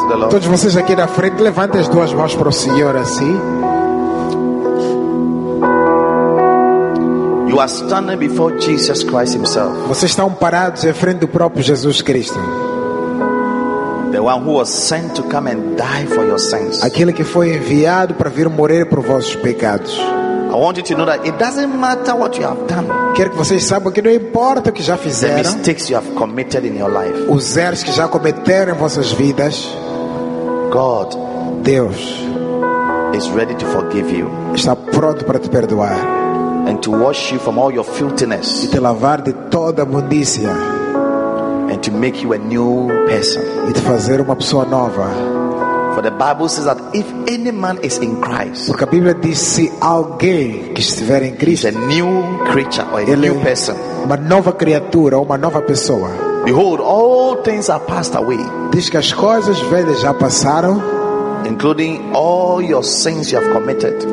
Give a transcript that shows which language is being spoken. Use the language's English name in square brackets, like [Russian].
[Portuguese] Todos vocês aqui na frente, levantem as duas mãos para o Senhor assim. [English] You are standing before Jesus Christ himself. [Portuguese] Vocês estão parados em frente do próprio Jesus Cristo. [English] The one who was sent to come and die for your sins. [Portuguese] Aquele que foi enviado para vir morrer por vossos pecados. [English] I want you to know that it doesn't matter what you have done. [Portuguese] Quero que vocês saibam que não importa o que já fizeram. [English] The mistakes you have committed in your life. [Portuguese] Os erros que já cometeram em vossas vidas. [English] God, [Portuguese] Deus, [English] is ready to forgive you. [Portuguese] Está pronto para te perdoar. [English] And to wash you from all your filthiness. [Portuguese] E te lavar de toda imundícia. [English] And to make you a new person. [Portuguese] E te fazer uma pessoa nova. [English] For the Bible says that if any man is in Christ, [Portuguese] porque a Bíblia diz se alguém que estiver em Cristo, [English] a new creature or a new person, [Portuguese] uma nova criatura, uma nova pessoa. [English] Behold, all things are passed away. [Portuguese] Diz que as coisas velhas já passaram, [English] including all your sins you have committed,